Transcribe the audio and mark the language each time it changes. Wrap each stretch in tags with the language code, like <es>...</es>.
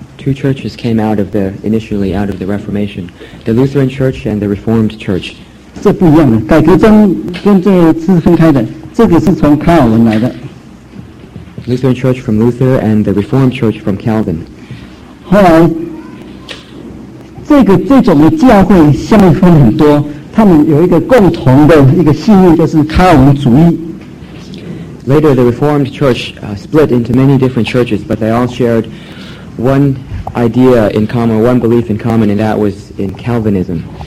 <en>Two churches came out of the Reformation, the Lutheran Church and the Reformed Church.</en> <zh>这不一样的，改革宗跟这个是分开的，这个是从卡尔文来的。</zh> <en>Lutheran Church from Luther and the Reformed Church from Calvin.</en> <zh>后来，这种的教会下面分很多，他们有一个共同的一个信念，就是卡尔文主义。</zh> <en>Later, the Reformed Church split into many different churches, but they all shared one idea in common, one belief in common, and that was in Calvinism.</en>